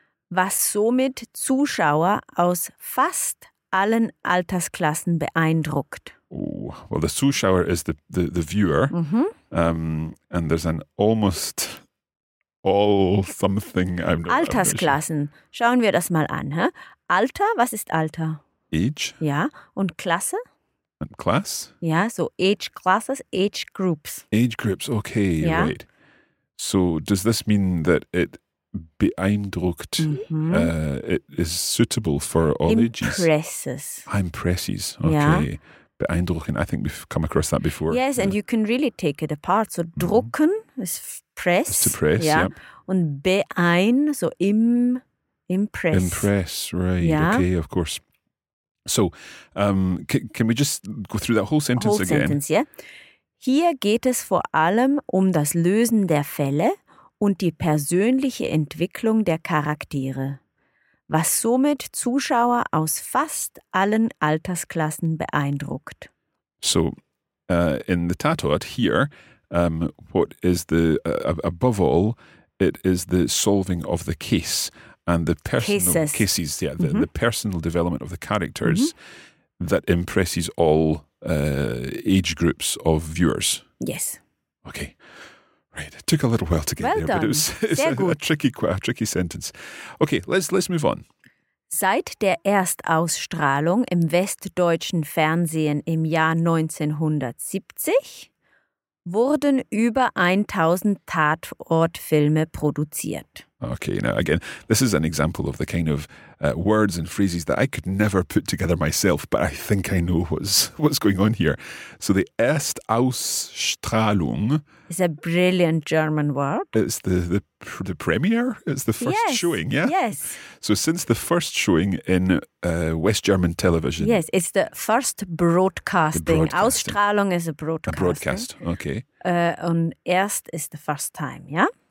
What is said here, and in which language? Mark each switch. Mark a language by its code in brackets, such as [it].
[de] Was somit Zuschauer aus fast allen Altersklassen beeindruckt. [en] Oh, well, the Zuschauer is the viewer. Mm-hmm. And there's an almost all something. I'm not [de] Altersklassen. Sure. Schauen wir das mal an. Huh? Alter, was ist Alter? [en] Age. [de] Ja, und Klasse? [en] And class? Ja, so age classes, age groups. Age groups, okay, ja. Right. So does this mean that it beeindruckt, mm-hmm, it is suitable for all ages. Impresses. Impresses. Okay. Yeah. Beeindrucken. I think we've come across that before. Yes, yeah. And you can really take it apart. So drucken, mm-hmm, is press. It's to press, yeah. Yep. And beein, so impress. Impress, right. Yeah. Okay, of course. So can we just go through that whole sentence again? Whole sentence, yeah. [de] Hier geht es vor allem um das Lösen der Fälle und die persönliche Entwicklung der Charaktere, was somit Zuschauer aus fast allen Altersklassen beeindruckt. [en] So, in the Tatort here, what is the, above all, it is the solving of the case and the personal cases, yeah, the, the personal development of the characters that impresses all age groups of viewers. Yes. Okay. Right. It took a little while to get there, but it's a tricky sentence. Okay, let's move on. [de] Seit der Erstausstrahlung im westdeutschen Fernsehen im Jahr 1970 wurden über 1000 Tatortfilme produziert. [en] Okay, now again, this is an example of the kind of words and phrases that I could never put together myself, but I think I know what's going on here. So the Erstausstrahlung is a brilliant German word. It's the premiere? It's the first showing, yeah? Yes. So since the first showing in West German television. Yes, it's the first broadcasting. Ausstrahlung is a broadcast. A broadcast, okay. And Erst is the first time, yeah?